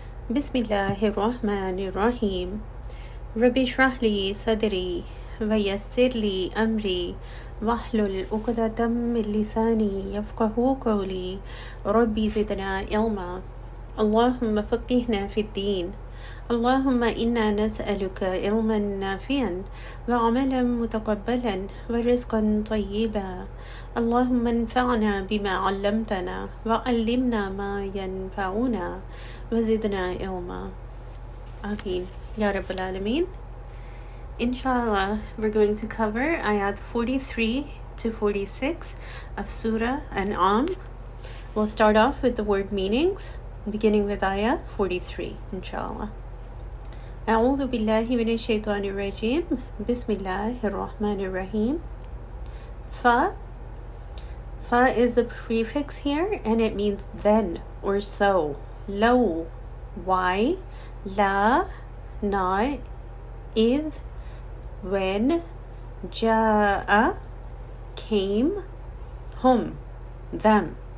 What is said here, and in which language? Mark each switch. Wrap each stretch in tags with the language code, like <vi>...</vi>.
<ar>بسم الله الرحمن الرحيم. رب اشرح لي صدري ويسر لي أمري واحلل عقدة من لساني يفقه قولي ربي زدنا علما اللهم فقهنا في الدين اللهم إنا نسألك علما نافعا وعملا متقبلا ورزقا طيبا اللهم انفعنا بما علمتنا وعلمنا ما ينفعنا وزدنا علما آمين يا رب العالمين.</ar> <en>Inshallah, we're going to cover ayat 43 to 46 of Surah An'am. We'll start off with the word meanings, beginning with ayat 43, inshallah.</en> <ar>أعوذ بالله من الشيطان الرجيم بسم الله الرحمن الرحيم.</ar> <en>Fa is the prefix here and it means then or so. Low, why, la, not, if, when, ja'a, came, hum, them.</en>